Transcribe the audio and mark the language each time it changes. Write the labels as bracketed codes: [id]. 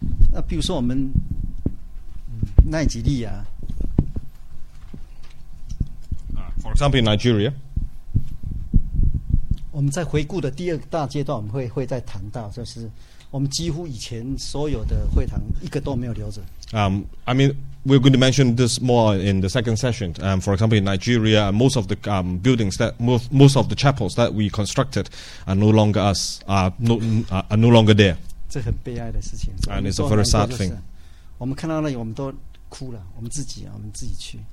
[zh] 那比如说我们奈及利亚 [en] For example in Nigeria [zh] 我们在回顾的第二大阶段我们会再谈到就是我们几乎以前所有的会堂一个都没有留着 [en] I mean we're going to mention this more in the second session for example in Nigeria most of the buildings that most of the chapels that we constructed are no longer us are no longer there [zh] 这很悲哀的事情 [en] And it's a very sad thing [zh] 我们看到那里我们都哭了我们自己去